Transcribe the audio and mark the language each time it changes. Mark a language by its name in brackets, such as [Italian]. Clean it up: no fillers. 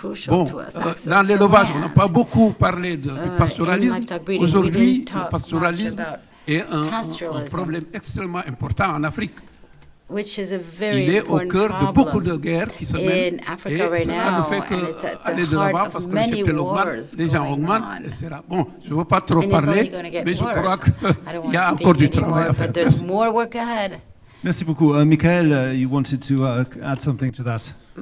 [French] Bon, dans l'élevage, on n'a pas beaucoup parlé du pastoralisme. [English] Breeding, [French] aujourd'hui, le pastoralisme est un problème extrêmement important en Afrique. [English] which is a very important problem in Africa right now, and it's at the heart of many wars going on. [French] Bon, je veux pas trop parler, mais je crois qu'il y a encore du travail à faire. [English] There's more work ahead. [French] Merci beaucoup. [English] Michael, you wanted to add something to that.